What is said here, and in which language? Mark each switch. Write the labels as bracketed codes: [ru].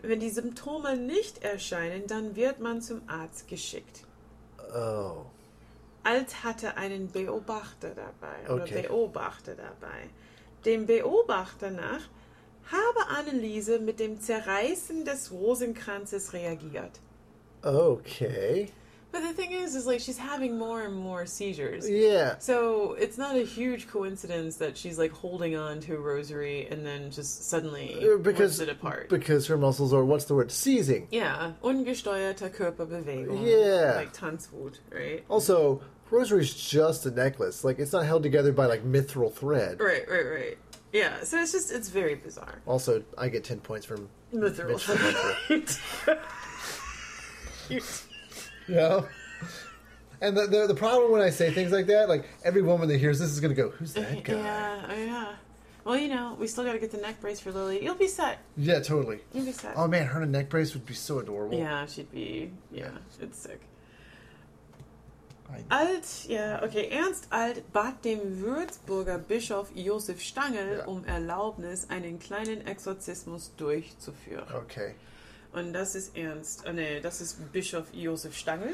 [de] Wenn die Symptome nicht erscheinen, dann wird man zum Arzt geschickt. Oh. Alt hatte einen Beobachter dabei. Dem Beobachter nach habe Anneliese mit dem Zerreißen des Rosenkranzes reagiert. [en] Okay. But the thing is like she's having more and more seizures. Yeah. So it's not a huge coincidence that she's like holding on to a rosary and then just suddenly because, rips it apart. Because her muscles are, what's the word, seizing. [de] Yeah. Ungesteuerter Körperbewegung. [en] Yeah. Like Tanzwut, right? Also, rosary's just a necklace. Like, it's not held together by like mithril thread. Right. Yeah, so it's just, it's very bizarre. Also, I get 10 points from Mithril. Yeah. And the problem when I say things like that, like, every woman that hears this is going to go, who's that guy? Yeah, oh yeah. Well, you know, we still got to get the neck brace for Lily. You'll be set. Yeah, totally. You'll be set. Oh man, her neck brace would be so adorable. Yeah, she'd be, yeah, it's sick. [de] Alt, yeah, okay, Ernst Alt bat dem Würzburger Bischof Josef Stangl Erlaubnis, einen kleinen Exorzismus durchzuführen. [en] Okay. [de] Und das ist Ernst, oh ne, das ist Bischof Josef Stangl.